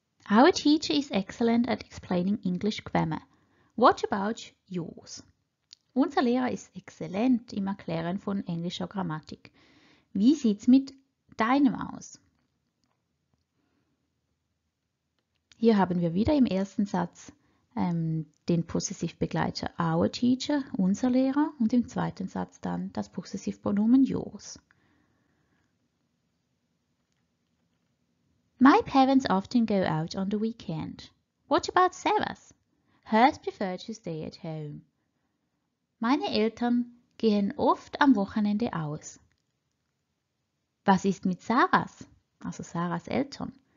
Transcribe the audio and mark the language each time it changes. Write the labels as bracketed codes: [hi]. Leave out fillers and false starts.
[en] Our teacher is excellent at explaining English grammar. What about yours? [de] Unser Lehrer ist exzellent im Erklären von englischer Grammatik. Wie sieht's mit deinem aus? Hier haben wir wieder im ersten Satz den Possessivbegleiter [en] our teacher, [de] unser Lehrer, und im zweiten Satz dann das Possessivpronomen yours. [en] My parents often go out on the weekend. What about Sarah's? Hers prefer to stay at home. [de] Meine Eltern gehen oft am Wochenende aus. Was ist mit Sarah's? Also Sarah's Eltern.